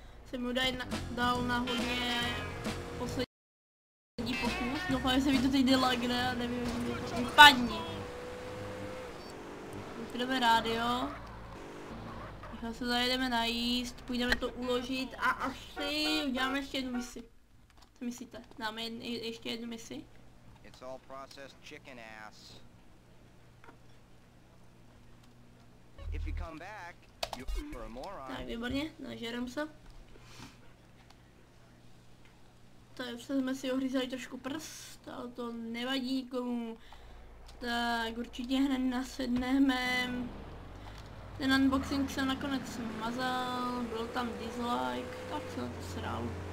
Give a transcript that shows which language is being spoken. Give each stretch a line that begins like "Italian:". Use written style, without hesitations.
Czech: Jsem mu dal na hodně poslední pokus. Doufám, že se mi to teď delagne a nevím, jak mi to vypadne. Vypneme rádio. Nechal se zajedeme najíst, půjdeme to uložit a asi uděláme ještě jednu misi. Co myslíte? Dáme ještě jednu misi?
English: It's all processed chicken ass. If you come back, you're a moron.
Czech: Tak, výborně, nažerem se. Takže jsme si ohřízali trošku prst, ale to nevadí nikomu. Tak určitě hned nasedneme. Ten unboxing jsem nakonec smazal, byl tam dislike, tak jsem to sral.